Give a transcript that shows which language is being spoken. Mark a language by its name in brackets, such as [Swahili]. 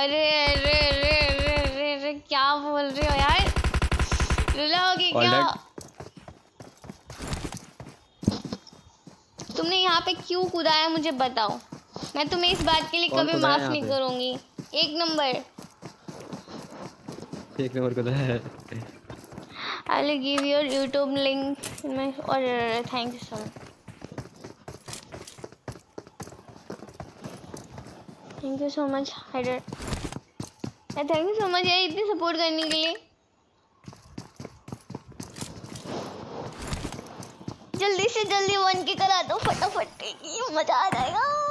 [Hindi] अरे अरे अरे अरे अरे अरे क्या बोल रहे हो यार, रुलाओगे क्या? तुमने यहाँ पे क्यों कूदा है मुझे बताओ, मैं तुम्हें इस बात के लिए कभी माफ नहीं करूंगी। एक नंबर कूदा है। [English] I will give your YouTube link in my order. Thank you so much. Thank you so much, Hider. Yeah, thank you so much, yeah, [Hindi] इतनी support करने के लिए। जल्दी से जल्दी 1K करा दो फटाफट, मजा आ जाएगा।